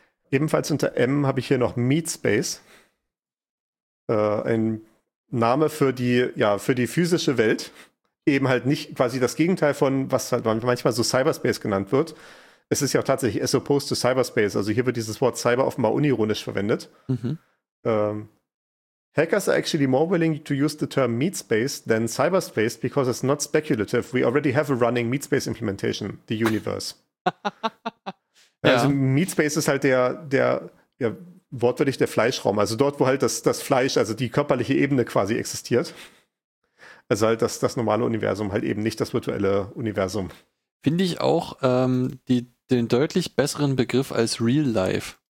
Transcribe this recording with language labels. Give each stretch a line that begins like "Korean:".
German: Ebenfalls unter M habe ich hier noch Meatspace. Ein Name für die physische Welt. Eben halt nicht quasi das Gegenteil von, was halt manchmal so Cyberspace genannt wird. Es ist ja auch tatsächlich
English: as opposed to Cyberspace.
German: Also hier wird dieses Wort Cyber offenbar unironisch verwendet. Mhm.
English: Hackers are actually more willing to use the term meatspace than cyberspace because it's not speculative. We already have a running meatspace implementation, the universe.
German: Ja. Also meatspace ist halt der wortwörtlich der Fleischraum. Also dort, wo halt das Fleisch, also die körperliche Ebene quasi existiert. Also halt das normale Universum, halt eben nicht das virtuelle Universum. Finde ich auch den deutlich besseren Begriff als real life.